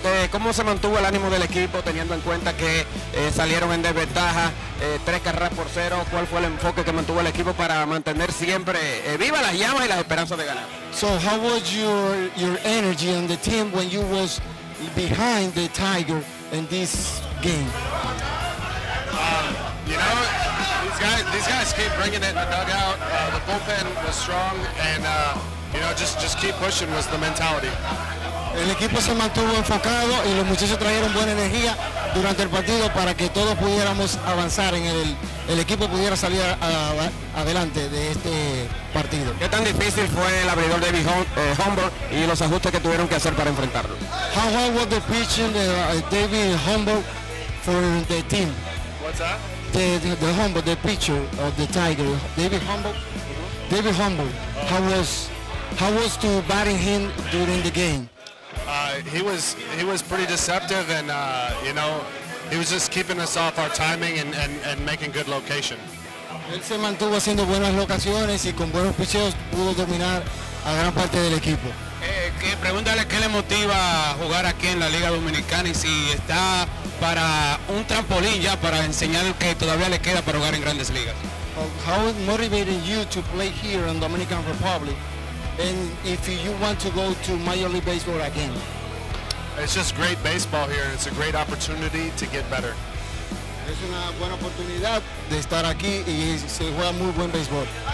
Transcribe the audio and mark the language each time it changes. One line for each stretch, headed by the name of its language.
Spanish: ¿Cómo se mantuvo el ánimo del equipo teniendo en cuenta que salieron en desventaja 3-0? ¿Cuál fue el enfoque que mantuvo el equipo para mantener siempre viva las llamas y las esperanzas de ganar?
English: So how was your energy on the team when you was behind the Tiger in this game? You know, these guys keep bringing it in the dugout. The bullpen was strong and you know, just keep pushing was the mentality.
Spanish: El equipo se mantuvo enfocado y los muchachos trajeron buena energía durante el partido para que todos pudiéramos avanzar en el equipo pudiera salir adelante de este partido. ¿Qué tan difícil fue el abridor David Humber y los ajustes que tuvieron que hacer para enfrentarlo?
English: How hard was the pitching David Humber for the team? What's that? The Humber, the pitcher of the Tiger, David Humber. Mm-hmm. David Humber, how was to batting him during the game? He was pretty deceptive and you know, he was just keeping us off our timing and making good location.
Spanish: Él se mantuvo haciendo buenas locaciones y con buenos picheos pudo dominar a gran parte del equipo. Pregúntale qué le motiva jugar aquí en la Liga Dominicana y si está para un trampolín ya para enseñar que todavía le queda para jugar en grandes ligas.
English: How motivated you to play here in Dominican Republic? And if you want to go to Major League Baseball again? It's just great baseball here. It's a great opportunity to get better.
Spanish: Es una buena oportunidad de estar aquí y se juega muy buen baseball.